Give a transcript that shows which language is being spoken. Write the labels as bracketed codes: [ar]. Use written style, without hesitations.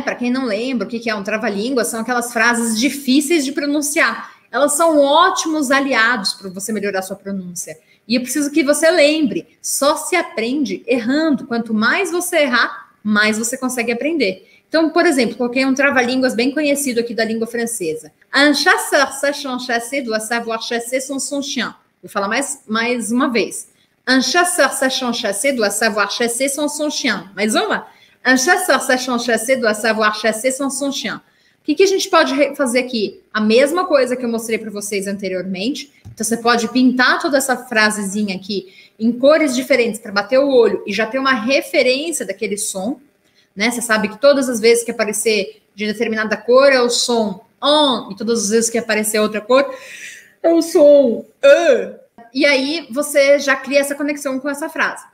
[pt] Para quem não lembra o que é um trava-línguas, são aquelas frases difíceis de pronunciar. Elas são ótimos aliados para você melhorar a sua pronúncia. E eu preciso que você lembre, só se aprende errando. Quanto mais você errar, mais você consegue aprender. Então, por exemplo, coloquei um trava-línguas bem conhecido aqui da língua francesa. [fr] Un chasseur sachant chasser doit savoir chasser sans son chien. [pt] Vou falar mais uma vez. [fr] Un chasseur sachant chasser doit savoir chasser sans son chien. [pt] Mais uma. [fr] Un chasseur sachant chasser doit savoir chasser sans son chien. [pt] O que a gente pode fazer aqui? A mesma coisa que eu mostrei para vocês anteriormente. Então, você pode pintar toda essa frasezinha aqui em cores diferentes para bater o olho e já ter uma referência daquele som. Né? Você sabe que todas as vezes que aparecer de determinada cor é o som on, e todas as vezes que aparecer outra cor é o som E aí você já cria essa conexão com essa frase.